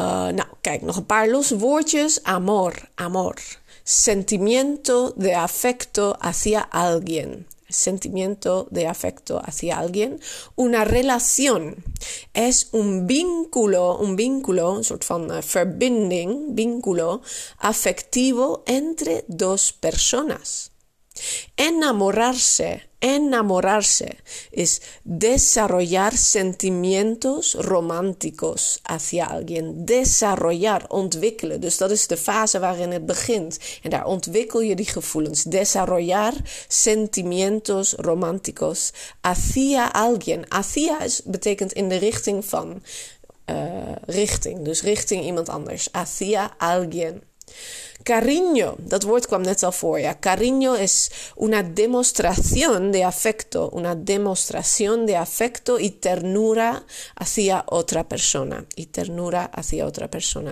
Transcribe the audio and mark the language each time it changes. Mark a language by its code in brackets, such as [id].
[nl] Nou, kijk, nog een paar losse woordjes. [es] Amor, amor. Sentimiento de afecto hacia alguien. Sentimiento de afecto hacia alguien. Una relación es un vínculo, [nl] een soort van verbinding, [es] vínculo afectivo entre dos personas. Enamorarse. Enamorarse es desarrollar sentimientos románticos hacia alguien. [nl] Desarrollar, ontwikkelen. Dus dat is de fase waarin het begint. En daar ontwikkel je die gevoelens. [es] Desarrollar sentimientos románticos hacia alguien. [nl] Hacia betekent in de richting van. richting. Dus richting iemand anders. [es] Hacia alguien. [nl] Cariño, dat woord kwam net al voor. Ja. [es] Cariño is una demostración de afecto. Una demostración de afecto y ternura hacia otra persona. Y ternura hacia otra persona.